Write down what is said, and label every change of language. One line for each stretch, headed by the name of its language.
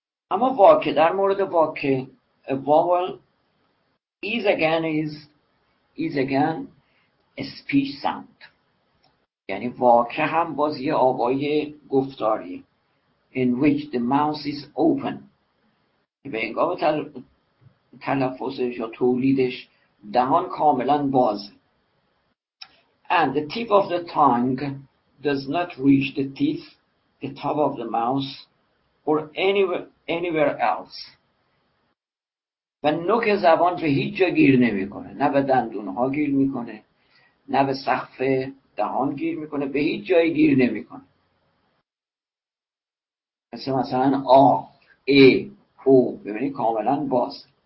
Persian: اما واکه، در مورد واکه،
English: vowel is again a speech sound.
Persian: یعنی واکه هم باز یه آوای گفتاری.
English: In which the mouth is open.
Persian: به انگام تلفظش یا تولیدش دهان کاملا بازه.
English: And the tip of the tongue does not reach the teeth, the top of the mouth, or anywhere else.
Persian: و نوک زبان به هیچ جا گیر نمیکنه، نه به دندونها گیر میکنه، نه به سقف دهان گیر میکنه، به هیچ جای گیر نمیکنه. مثلا آ، ای، او، ببینید کاملا باز.